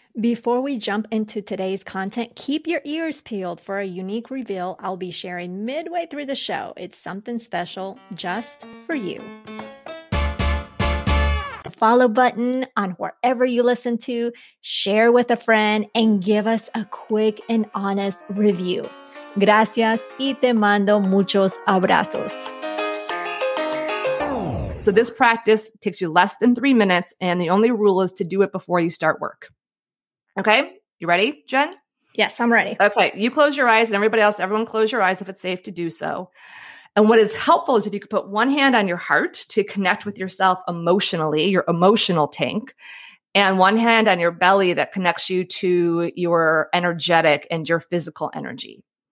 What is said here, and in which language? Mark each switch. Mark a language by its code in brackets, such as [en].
[en] Before we jump into today's content, keep your ears peeled for a unique reveal I'll be sharing midway through the show. It's something special just for you. The follow button on wherever you listen to, share with a friend, and give us a quick and honest review. [es] Gracias y te mando muchos abrazos. [en] So this practice takes you less than 3 minutes, and the only rule is to do it before you start work. Okay? You ready, Jen? Yes, I'm ready. Okay. You close your eyes, and everyone close your eyes if it's safe to do so. And what is helpful is if you could put one hand on your heart to connect with yourself emotionally, your emotional tank, and one hand on your belly that connects you to your energetic and your physical energy.